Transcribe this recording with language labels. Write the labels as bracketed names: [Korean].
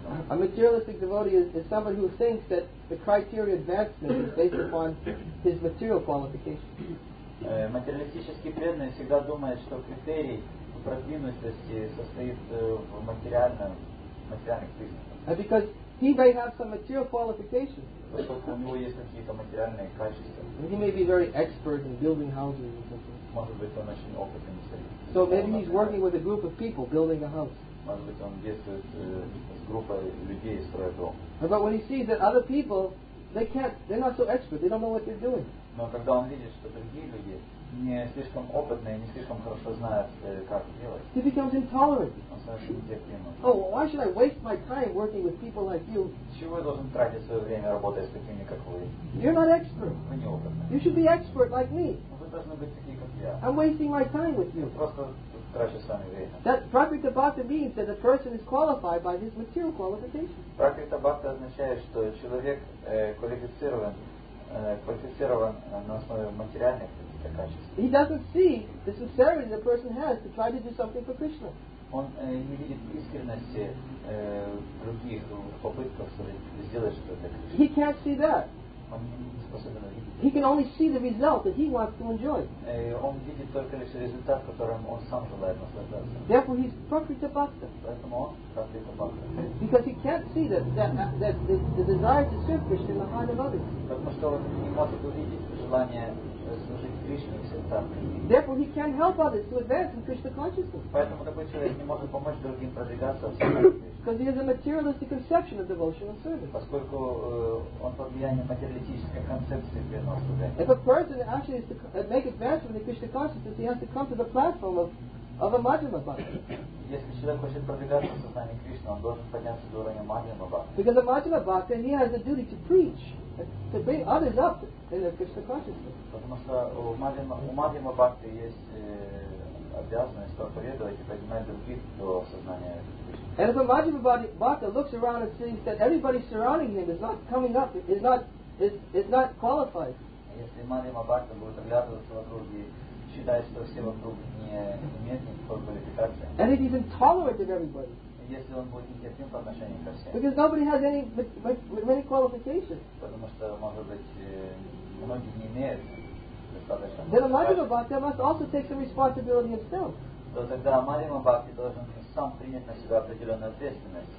[English] A materialistic devotee is somebody who thinks that the criteria advancement is based upon his material qualification. [Russian] Материалистический преданный всегда думает, что критерий продвинутости состоит в материальных признаках. [English] And because he may have some material qualification, [Russian] поскольку у него есть какие-то материальные качества, [English] he may be very expert in building houses or something. [Russian] Может быть, он очень опытен в этом. [English] So maybe he's working with a group of people building a house. [Russian] Может быть, он действует с группой людей, строя дом. [English] But when he sees that other people, they're not so expert, they don't know what they're doing. [Russian] Но когда он видит, что другие люди не слишком опытный, не слишком хорошо знает, как делать. [English] He becomes intolerant. [Russian] Он совершенно терпимый. [English] Oh, well, why should I waste my time working with people like you? [Russian] Чего я должен тратить свое время, работая с такими, как вы? [English] You're not expert. [Russian] Вы не опытный. [English] You should be expert like me. [Russian] Вы должны быть такие, как я. [English] I'm wasting my time with you. [Russian] Просто трачу с вами время. [English] That Prakritabhata means that a person is qualified by his material qualification. [Russian] Prakritabhata означает, что человек квалифицирован. Квалифицирован на основе материальных качеств. [English] He doesn't see the sincerity the person has to try to do something for Krishna. [Russian] Он не видит искренности других попытках сделать что-то для Кришны. [English] He can't see that. [Russian] Он не способен увидеть. [English] He can only see the result that he wants to enjoy. [Russian] Он видит только лишь результат, которым он сам желает наслаждаться. [English] Therefore, he's Prakritabhakta. [Russian] Поэтому он Prakritabhakta. [English] Because he can't see that the desire to serve Krishna in the heart of others. [Russian] Потому что он не может увидеть желание служить Кришне в сердцах. [English] Therefore, he can't help others to advance in Krishna consciousness. [Russian] Поэтому такой человек не может помочь другим продвигаться в сердцах. [English] Because he has a materialistic conception of devotional service. [Russian] Поскольку он под влиянием материалистической концепции преданного служения. [English] If a person actually is to make advancement in Krishna consciousness, he has to come to the platform of a Madhyama Bhakta. [Russian] Если человек хочет продвигаться в сознании Кришны, он должен подняться до уровня Madhyama Bhakta. [English] Because a Madhyama Bhakta, he has the duty to preach, to bring others up in their Krishna consciousness. [Russian] Потому что у Madhyama Bhakta есть обязанность проповедовать и поднимать других до сознания Кришны. [English] And if a Madhyamabhakta looks around and sees that everybody surrounding him is not coming up, is not qualified. [Russian] Если Madhyamabhakta будет оглядываться вокруг и считает, что все вокруг не имеют никакой квалификации. [English] And if he's intolerant of everybody. [Russian] Если он будет нетерпим по отношению ко всем. [English] Because nobody has any qualifications. [Russian] Потому что, может быть, многие не имеют достаточно. [English] Then a Madhyamabhakta must also take some responsibility himself. [Russian] То тогда Madhyamabhakta должен сам принять на себя определенную ответственность.